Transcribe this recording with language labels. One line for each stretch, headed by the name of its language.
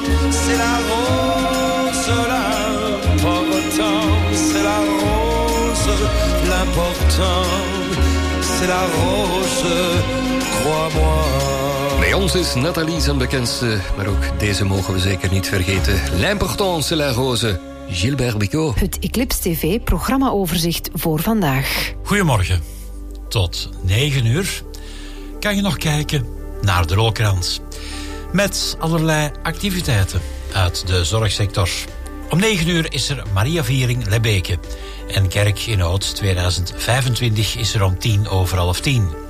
French: C'est la rose, l'important, c'est la rose, l'important, c'est la rose, crois-moi.
Dutch: Bij ons is Nathalie zijn bekendste, maar ook deze mogen we zeker niet vergeten.
French: L'important, c'est la rose, Gilbert Bicot.
Dutch: Het Eclipse TV programmaoverzicht voor vandaag. Goedemorgen. Tot 9 uur kan je nog kijken naar de Rolkrans. Met allerlei activiteiten uit de zorgsector. Om 9 uur is er Maria Viering Lebeke. En Kerk in Oud 2025 is er om 9:50.